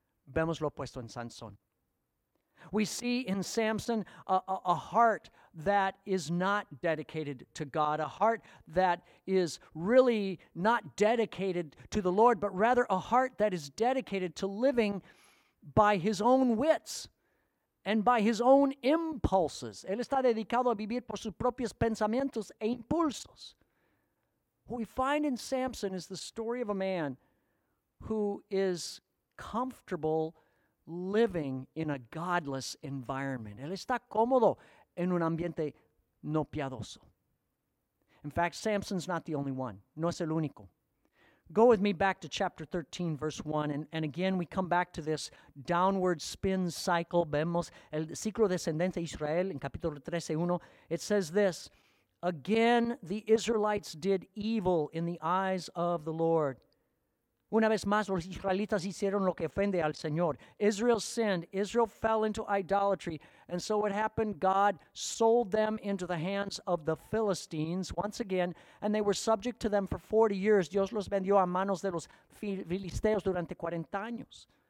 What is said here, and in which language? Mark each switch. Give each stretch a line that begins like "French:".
Spanish: Vemos lo opuesto en Sansón.
English: We see in Samson a heart that is not dedicated to God, a heart that is really not dedicated to the Lord, but rather a heart that is dedicated to living by his own wits and by his own impulses.
Spanish: Él está dedicado a vivir por sus propios pensamientos e impulsos.
English: What we find in Samson is the story of a man who is comfortable living in a godless environment.
Spanish: Él está cómodo en un ambiente no piadoso.
English: In fact, Samson's not the only one.
Spanish: No es el único.
English: Go with me back to chapter 13, verse 1. And again, we come back to this downward spin cycle.
Spanish: Vemos el ciclo descendente de Israel en capítulo 13, 1.
English: It says this, again, the Israelites did evil in the eyes of the Lord.
Spanish: Una vez más, los israelitas hicieron lo que ofende al Señor.
English: Israel sinned. Israel fell into idolatry. And so what happened? God sold them into the hands of the Philistines once again, and they were subject to them for 40 years.
Spanish: Dios los vendió a manos de los filisteos durante 40 años.